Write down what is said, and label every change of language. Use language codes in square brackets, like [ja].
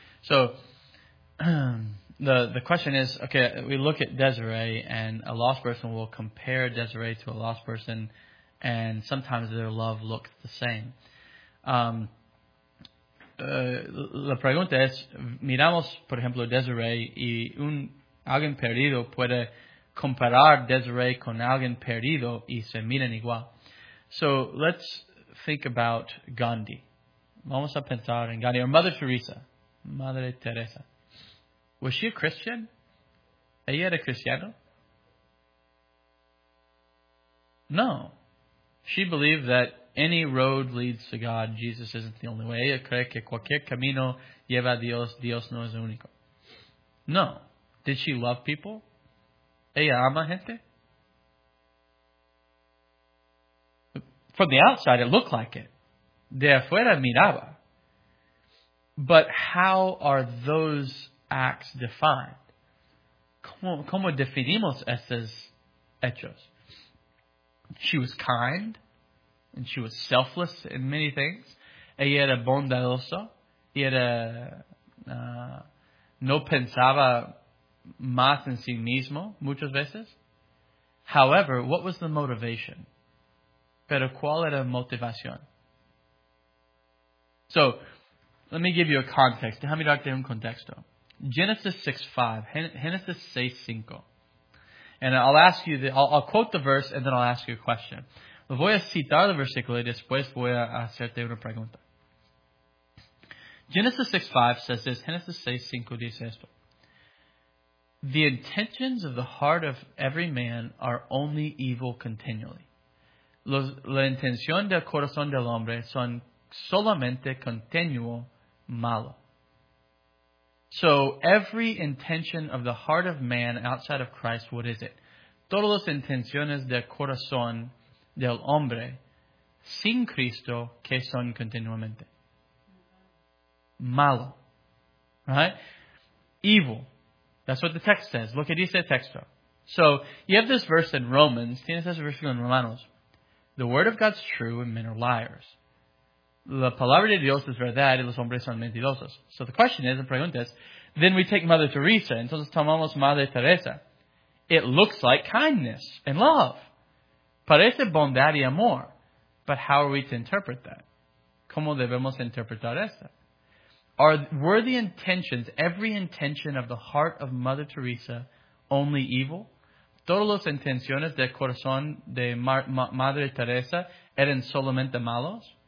[en] So, the question is, okay, we look at Desiree and a lost person will compare Desiree to a lost person and sometimes their love looks the same. [es] La pregunta es, miramos, por ejemplo, Desiree y alguien perdido puede comparar Desiree con alguien perdido y se miran igual. [en] So, let's think about Gandhi. [es] Vamos a pensar en Gandhi. [en] Or Mother Teresa. [es] Madre Teresa. [en] Was she a Christian? [es] ¿Ella era cristiana? No. [en] She believed that any road leads to God. Jesus isn't the only way. [es] Ella cree que cualquier camino lleva a Dios. Dios no es único. No. [en] Did she love people? [es] ¿Ella ama gente? [en] From the outside, it looked like it. [es] De afuera miraba. [en] But how are those acts defined? [es] ¿Cómo definimos esos hechos? [en] She was kind. And she was selfless in many things. [es] Ella era bondadosa. Y era... no pensaba más en sí mismo muchas veces. [en] However, what was the motivation? [es] Pero ¿cuál era motivación? [en] So, let me give you a context. [es] Déjame darte un contexto. [en] Genesis 6:5. And I'll ask you, I'll quote the verse and then I'll ask you a question. [es] Voy a citar el versículo y después voy a hacerte una pregunta. [en] Genesis 6:5 says this. [es] Genesis 6:5 dice esto. [en] The intentions of the heart of every man are only evil continually. [es] La intención del corazón del hombre son solamente continuo malo. [en] So every intention of the heart of man outside of Christ, what is it? [es] Todas las intenciones del corazón del hombre sin Cristo que son continuamente malo, right? [en] Evil. That's what the text says. [es] Lo que dice el texto. [en] So you have this verse in Romans. [es] Tienes ese versículo en Romanos. [en] The word of God's true and men are liars. [es] La palabra de Dios es verdad y los hombres son mentirosos. [en] So the question is, the [es] pregunta es, [en] then we take Mother Teresa. [es] Entonces tomamos Madre Teresa. [en] It looks like kindness and love. [es] Parece bondad y amor. [en] But how are we to interpret that? [es] ¿Cómo debemos interpretar esto? [en] Were the intentions, every intention of the heart of Mother Teresa, only evil? [es] ¿Todas las intenciones del corazón de Madre Teresa eran solamente malos?